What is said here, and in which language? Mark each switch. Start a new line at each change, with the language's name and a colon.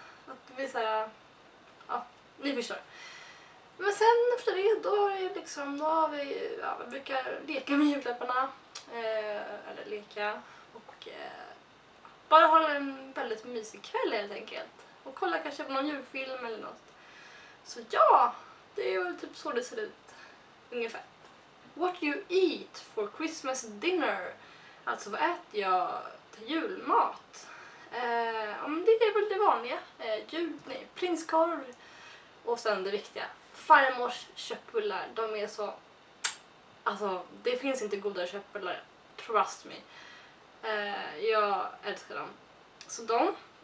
Swedish: Att det blir såhär, ja, ni förstår. Men sen efter det, då är det liksom, då har vi, ja, vi brukar leka med julklapparna, eller leka, och bara ha en väldigt mysig kväll helt enkelt. Och kolla kanske på någon julfilm eller något. Så ja, det är väl typ så det ser ut, ungefär.
English: What you eat for Christmas dinner?
Swedish: Alltså, vad äter jag till julmat? Ja, men det är väl det vanliga, prinskorv, och sen det viktiga, farmors köttbullar, de är så... Alltså, det finns inte goda köttbullar.
English: Trust me.
Swedish: Jag älskar dem. Så de.